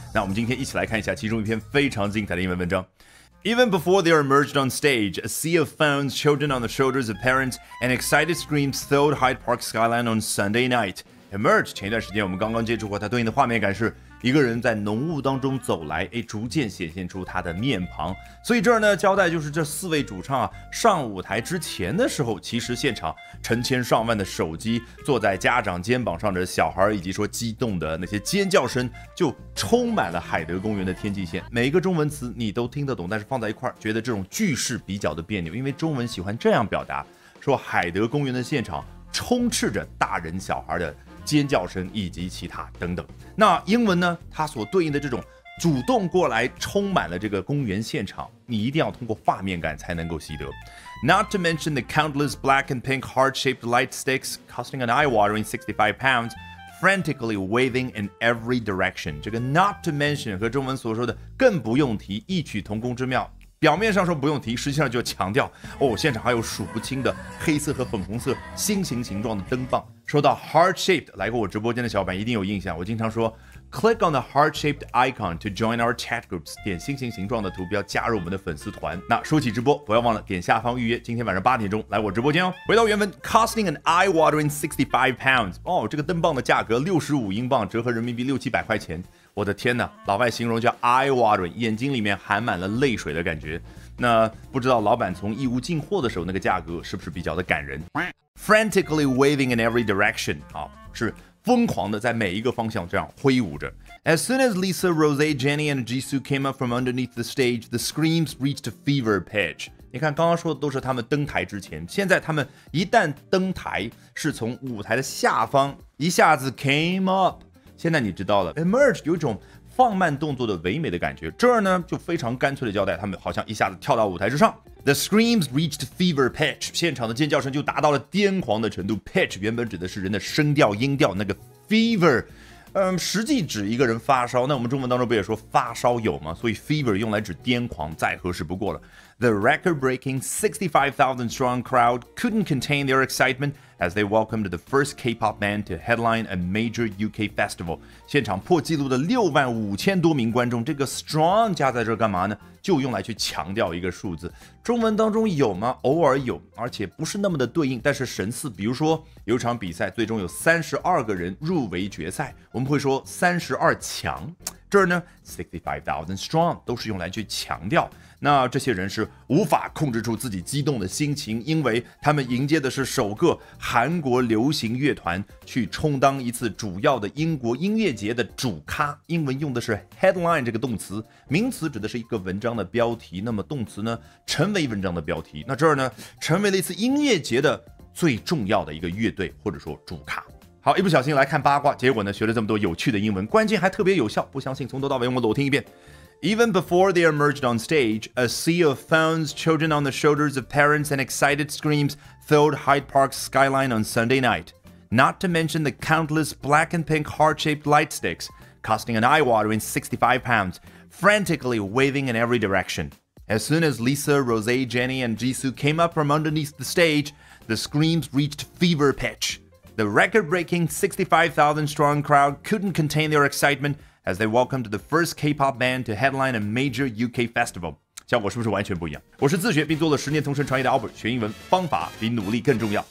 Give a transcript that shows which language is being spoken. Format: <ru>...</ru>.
<zh>那我们今天一起来看一下其中一篇非常精彩的英文文章。</zh> <en>Even before they emerged on stage, a sea of fans, children on the shoulders of parents, and excited screams filled Hyde Park skyline on Sunday night.</en> <zh>Emerge 前一段时间我们刚刚接触过，它对应的画面感是一个人在浓雾当中走来，哎，逐渐显现出他的面庞。所以这儿呢，交代就是这四位主唱啊，上舞台之前的时候，其实现场成千上万的手机坐在家长肩膀上的小孩，以及说激动的那些尖叫声，就充满了海德公园的天际线。每一个中文词你都听得懂，但是放在一块儿，觉得这种句式比较的别扭，因为中文喜欢这样表达，说海德公园的现场充斥着大人小孩的尖叫声以及其他等等。那英文呢，它所对应的这种主动过来充满了这个公园现场，你一定要通过画面感才能够习得。</zh> <en>Not to mention the countless black and pink heart-shaped light sticks costing an eye-watering 65 pounds frantically waving in every direction.</en> <zh>这个</zh> <en>not to mention</en> <zh>和中文所说的更不用提异曲同工之妙，表面上说不用提，实际上就强调哦，现场还有数不清的黑色和粉红色星形形状的灯棒。说到 heart shaped， 来过我直播间的小伙伴一定有印象，我经常说</zh> <en>click on the heart shaped icon to join our chat groups，</en> <zh>点星形形状的图标加入我们的粉丝团。那说起直播，不要忘了点下方预约，今天晚上8点来我直播间哦。回到原文，</zh> <en>costing an eye watering 65 pounds，</en> <zh>哦，这个灯棒的价格65英镑，折合人民币6-700块钱。我的天哪，老外形容叫 eye watering， 眼睛里面含满了泪水的感觉。那不知道老板从义乌进货的时候那个价格是不是比较的感人。</zh> <en>Frantically waving in every direction，</en> <zh>好，是疯狂的在每一个方向这样挥舞着。</zh> <en>As soon as Lisa, Rosé, Jennie and Jisoo came up from underneath the stage, the screams reached a fever pitch。</en> <zh>你看刚刚说的都是他们登台之前，现在他们一旦登台是从舞台的下方一下子 came up， 现在你知道了 emerge 有一种放慢动作的唯美的感觉。这儿呢就非常干脆的交代他们好像一下子跳到舞台之上。</zh> <en>The screams reached fever pitch，</en> <zh>现场的尖叫声就达到了癫狂的程度。 Pitch 原本指的是人的声调音调，那个 fever， 实际指一个人发烧。那我们中文当中不也说发烧友吗？所以 fever 用来指癫狂再合适不过了。</zh> <en>The record breaking 65,000 strong crowd couldn't contain their excitement as they welcomed the first K-pop band to headline a major UK festival。</en> <zh>现场破纪录的65,000多名观众，这个 strong 加在这干嘛呢？就用来去强调一个数字。中文当中有吗？偶尔有，而且不是那么的对应，但是神似。比如说有场比赛最终有32个人入围决赛，我们会说32强。这儿呢 65,000 strong 都是用来去强调那这些人是无法控制住自己激动的心情，因为他们迎接的是首个韩国流行乐团去充当一次主要的英国音乐节的主咖。英文用的是 headline 这个动词，名词指的是一个文章的标题，那么动词呢成为文章的标题。那这儿呢成为了一次音乐节的最重要的一个乐队或者说主咖。好，一不小心来看八卦，结果呢学了这么多有趣的英文，关键还特别有效，不相信从头到尾我们都听一遍。</zh> <en>Even before they emerged on stage, a sea of phones, children on the shoulders of parents, and excited screams filled Hyde Park's skyline on Sunday night. Not to mention the countless black and pink heart-shaped light sticks, costing an eye-watering 65 pounds, frantically waving in every direction. As soon as Lisa, Rosé, Jennie, and Jisoo came up from underneath the stage, the screams reached fever pitch. The record-breaking 65,000 strong crowd couldn't contain their excitement,as they welcomed the first K-pop band to headline a major UK festival.</en> <zh>效果是不是完全不一样？我是自学并做了10年同声传译的 Albert， 学英文方法比努力更重要。</zh>